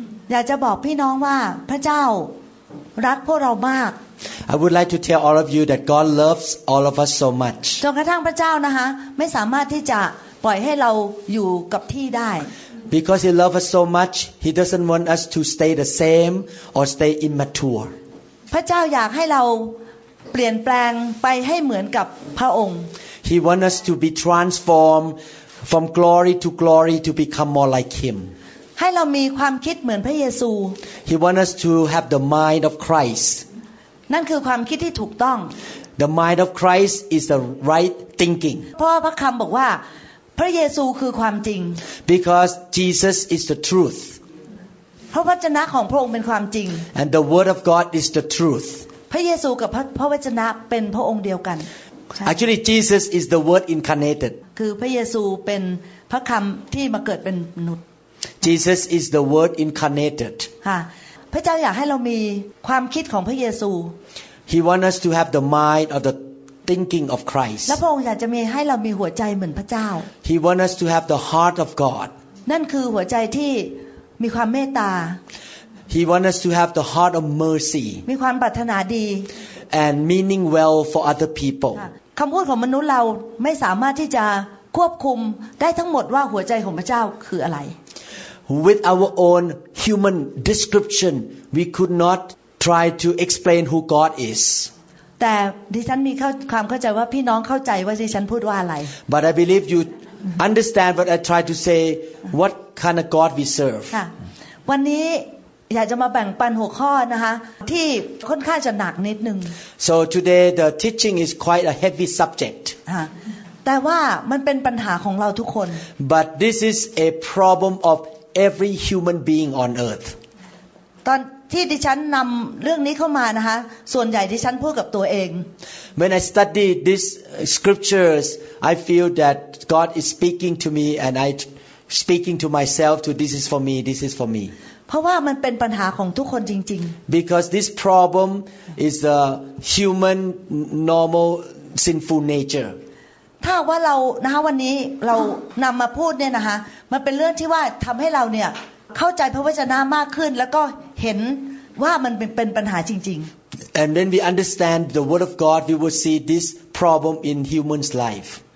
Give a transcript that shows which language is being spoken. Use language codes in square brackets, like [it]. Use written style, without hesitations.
[th] อยากจะบอกพี่น้องว่าพระเจ้ารักพวกเรามาก [en] I would like to tell all of you that God loves all of us so much [th] จนกระทั่งพระเจ้านะคะไม่สามารถที่จะปล่อยให้เราอยู่กับที่ได้ [en] Because he loves us so much he doesn't want us to stay the same or stay immature [th] พระเจ้าอยากให้เราเปลี่ยนแปลงไปให้เหมือนกับพระองค์ [en] He want us to be transformed from glory to glory to become more like him [th] ให้เรามีความคิดเหมือนพระเยซู [en] He want us to have the mind of Christ [th] นั่นคือความคิดที่ถูกต้อง [en] The mind of Christ is the right thinking [th] เพราะพระคำบอกว่าพระเยซูคือความจริง [en] Because Jesus is the truth [th] เพราะพระวจนะของพระองค์เป็นความจริง [en] And the word of God is the truth [th] พระเยซูกับพระวจนะเป็นพระองค์เดียวกัน [en] Actually Jesus is the word incarnated [th] คือพระเยซูเป็นพระคำที่มาเกิดเป็นมนุษย์ [en] Jesus is the word incarnated [th] ค่ะพระเจ้าอยากให้เรามีความคิดของพระเยซู [en] He want us to have the mind of the thinking of Christ [th] และพระองค์อยากจะมีให้เรามีหัวใจเหมือนพระเจ้า [en] He want us to have the heart of God [th] นั่นคือหัวใจที่มีความเมตตา [en] He wants us to have the heart of mercy. [th] มีความปรารถนาดี [en] and meaning well for other people. [th] คำพูดของมนุษย์เราไม่สามารถที่จะควบคุมได้ทั้งหมดว่าหัวใจของพระเจ้าคืออะไร [en] With our own human description, we could not try to explain who God is. [th] แต่ดิฉันมีความเข้าใจว่าพี่น้องเข้าใจว่าดิฉันพูดว่าอะไร [en] But I believe you understand what I try to say. What kind of God we serve? [th] วันนี้อยากจะมาแบ่งปันหัวข้อนะคะที่ค่อนข้างจะหนักนิดนึง [en] So today the teaching is quite a heavy subject [th] แต่ว่ามันเป็นปัญหาของเราทุกคน [en] But this is a problem of every human being on earth [th] ตอนที่ดิฉันนำเรื่องนี้เข้ามานะคะส่วนใหญ่ดิฉันพูดกับตัวเอง [en] When I study these scriptures I feel that God is speaking to me and I speaking to myself to this is for me this is for me [th] เพราะว่ามันเป็นปัญหาของทุกคนจริง [en] ๆ Because this problem is a human normal sinful nature [th] ถ้าว่าเรานะคะวันนี้เรานำมาพูดเนี่ยนะคะมันเป็นเรื่องที่ว่าทำให้เราเนี่ยเข้าใจพระวจนะมากขึ้นแล้วก็เห็นว่ามันเป็นปัญหาจริง [en] ๆ And when we understand the word of God we will see this problem in human's life